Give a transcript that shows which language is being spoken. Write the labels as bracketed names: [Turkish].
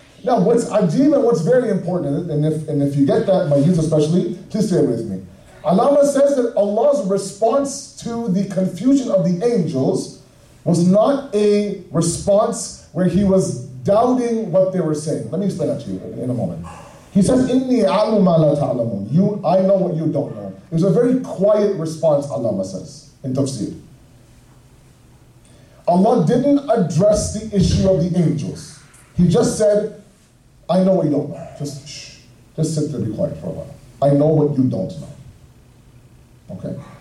[English] Now, what's ajeeb and what's very important, and if you get that, my youth especially, please stay with me. Allama says that Allah's response to the confusion of the angels was not a response where he was doubting what they were saying. Let me explain that to you in a moment. He says, [Arabic] إِنِّي أَعْلُمُ مَا لَا تَعْلَمُونَ. [English] You, I know what you don't know. It was a very quiet response, Allama says, in tafsir. Allah didn't address the issue of the angels. He just said, I know what you don't know. Just shh. Just sit there, be quiet for a while. I know what you don't know. Okay?